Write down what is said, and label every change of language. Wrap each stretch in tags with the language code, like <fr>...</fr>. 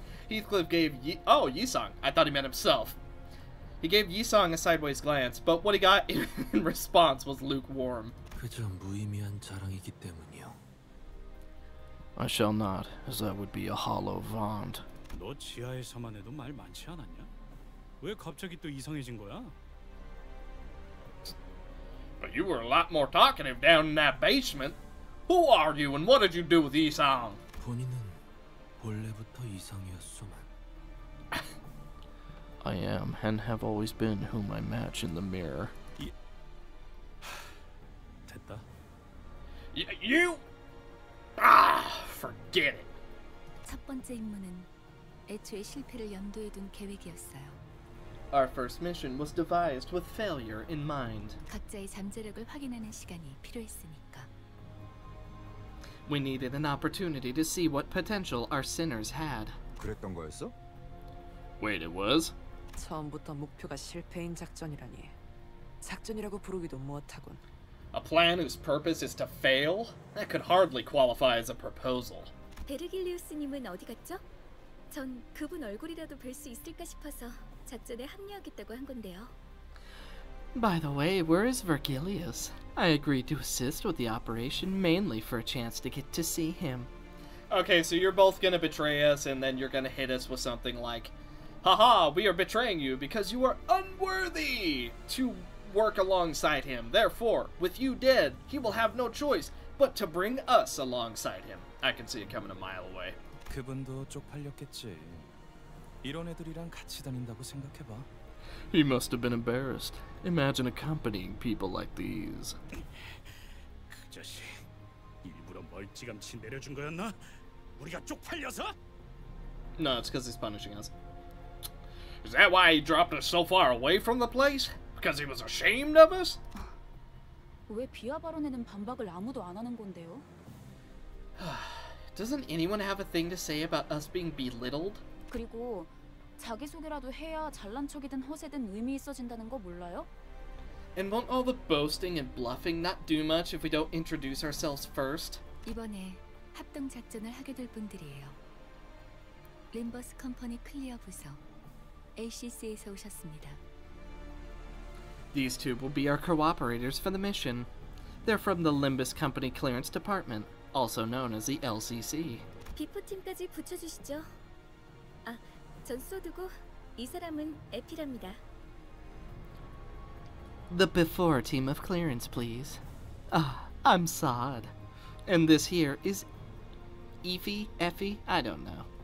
<en>Heathcliff gave Yisong. I thought he meant himself. He gave Yisong a sideways glance, but what he got in response was lukewarm. I shall not, as that would be a hollow vaunt.</en> <ko>너 지하에서만 해도 말 많지 않았냐? 왜 갑자기 또 이상해진 거야?</ko> <en>But you were a lot more talkative down in that basement. Who are you and what did you do with Yisong?</en> <ko>본인은 원래부터 이상이었소만.</ko> <en>I am and have always been whom I match in the mirror.</en> <ko>됐다.</ko> <en>You... Ah, forget it.</en> <ko>첫 번째 임무는 애초에 실패를 염두에 둔 계획이었어요.</ko> <en>Our first mission was devised with failure in mind.</en> <ko>각자의 잠재력을 확인하는 시간이 필요했으니까.</ko> <en>We needed an opportunity to see what potential our sinners had.</en> <ko>그랬던 거였어?</ko> <en>Wait, it was?</en> <ko>처음부터 목표가 실패인 작전이라니. 작전이라고 부르기도 무엇하군.</ko> <en>A plan whose purpose is to fail? That could hardly qualify as a proposal.</en> <ko>베르길리우스님은 어디 갔죠? 전 그분 얼굴이라도 볼 수 있을까 싶어서 작전에 합류하겠다고 한 건데요.</ko> <en>By the way, where is Virgilius? I agreed to assist with the operation mainly for a chance to get to see him. Okay, so you're both gonna betray us and then you're gonna hit us with something like, haha, we are betraying you because you are unworthy to work alongside him. Therefore, with you dead, he will have no choice but to bring us alongside him. I can see it coming a mile away.</en> <ko>그분도 쪽팔렸겠지. 이런 애들이랑 같이 다닌다고 생각해봐.</ko> <en>He must have been embarrassed. Imagine accompanying people like these.</en> <ko>그 자식, 일부러 멀찌감치 내려준 거였나? 우리가 쪽팔려서?</ko> <en>No, it's because he's punishing us. Is that why he dropped us so far away from the place? Because he was ashamed of us?</en> <ko>왜 비하 발언에는 반박을 아무도 안 하는 건데요?</ko> <en>Doesn't anyone have a thing to say about us being belittled?</en> <ko>그리고 자기소개라도 해야 잘난 척이든 허세든 의미 있어진다는 거 몰라요?</ko> <en>And won't all the boasting and bluffing not do much if we don't introduce ourselves first?</en> <ko>이번에 합동 작전을 하게 될 분들이에요. 림버스 컴퍼니 클리어 부서, ACC에서 오셨습니다.</ko> <en>These two will be our cooperators for the mission. They're from the Limbus Company Clearance Department, also known as the LCC.</en> <ko>비포팀까지 붙여주시죠. 아, 전 쏘드고, 이 사람은 에피랍니다.</ko> <en>The before team of clearance, please. Ah, I'm Saad. And this here is... Efi? Effi? I don't know.</en>